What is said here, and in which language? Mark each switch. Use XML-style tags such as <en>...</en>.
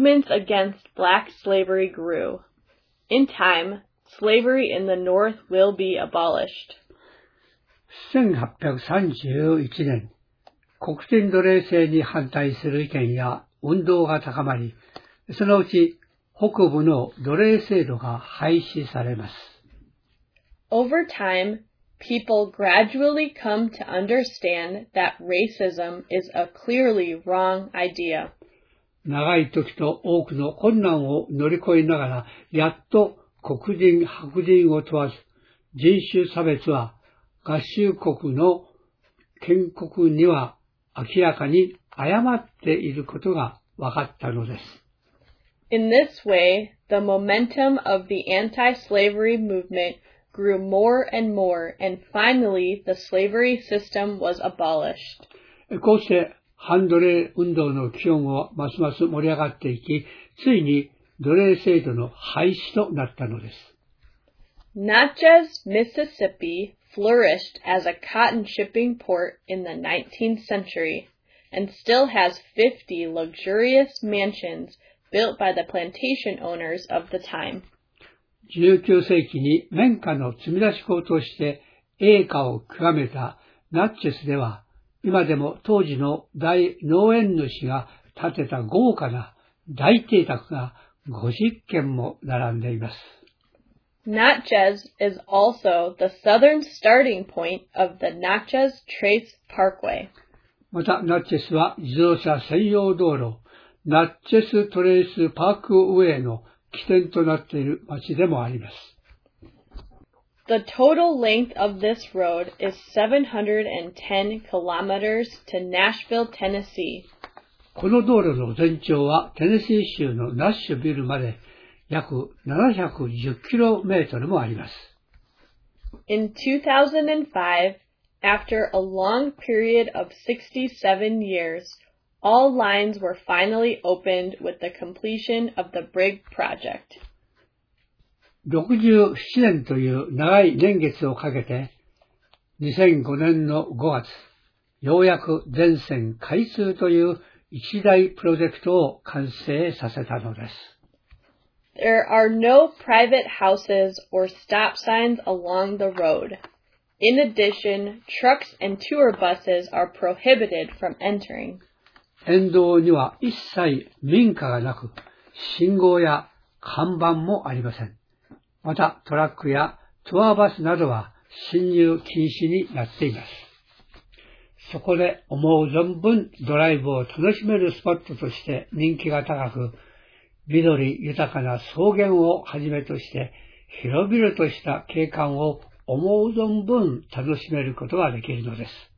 <en>against black slavery grew. In time, slavery in the North will be abolished.</en> <ja>1831年、国権奴隷制に反対する意見や運動が高まり、そのうち北部の奴隷制度が廃止されます。</ja> <en>Over time, people gradually come to understand that racism is a clearly wrong idea.</en> <ja>長い時と多くの困難を乗り越えながら、やっと黒人、白人を問わず、人種差別は合衆国の建国には明らかに誤っていることが分かったのです。</ja> <en>In this way, the momentum of the anti-slavery movement grew more and more, and finally the slavery system was abolished.</en> <ja>こうして、反奴隷運動の気温はますます盛り上がっていき、ついに奴隷制度の廃止となったのです。</ja> <en>Natchez, Mississippi flourished as a cotton shipping port in the 19th century and still has 50 luxurious mansions built by the plantation owners of the time.</en> <ja>19世紀に綿花の積み出し港として栄華を極めたナッチェスでは、今でも当時の大農園主が建てた豪華な大邸宅が50軒も並んでいます。</ja> <en>Natchez is also the southern starting point of the Natchez Trace Parkway.</en> <ja>また、Natchez は自動車専用道路、Natchez Trace Parkway の起点となっている町でもあります。</ja> <en>The total length of this road is 710 kilometers to Nashville, Tennessee.</en> <ja>この道路の全長はテネシー州のナッシュビルまで約710キロメートルもあります。</ja> <en>In 2005, after a long period of 67 years, all lines were finally opened with the completion of the Brigg Project.</en> <ja>67年という長い年月をかけて、2005年の5月、ようやく全線開通という一大プロジェクトを完成させたのです。</ja> <en>There are no private houses or stop signs along the road. In addition, trucks and tour buses are prohibited from entering.</en> <ja>沿道には一切民家がなく、信号や看板もありません。また、トラックやツアーバスなどは進入禁止になっています。そこで思う存分ドライブを楽しめるスポットとして人気が高く、緑豊かな草原をはじめとして広々とした景観を思う存分楽しめることができるのです。</ja>